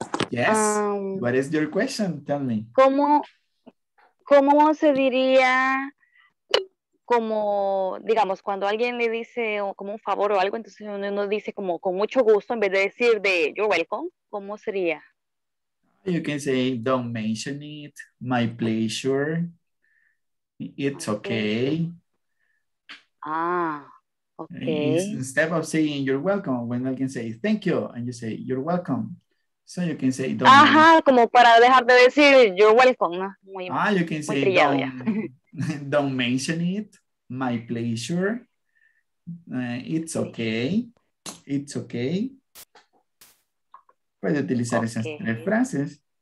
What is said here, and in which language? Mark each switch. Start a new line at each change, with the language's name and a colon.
English: Yes, what is your question? Tell me.
Spanish: ¿Cómo se diría, como, digamos, cuando alguien le dice como un favor o algo, entonces uno dice como con mucho gusto, en vez de decir de
English: you're welcome,
Spanish: ¿cómo sería?
English: You can say, don't mention it, my pleasure, it's okay. Ah, Okay. Instead of saying you're welcome, when I can say thank you, and you say you're welcome. So you can say don't.
Spanish: Ajá, como para dejar de decir
English: you're welcome. Muy, you can say don't mention it. My pleasure. It's okay. It's okay.
Spanish: Puede utilizar okay. Esas tres frases.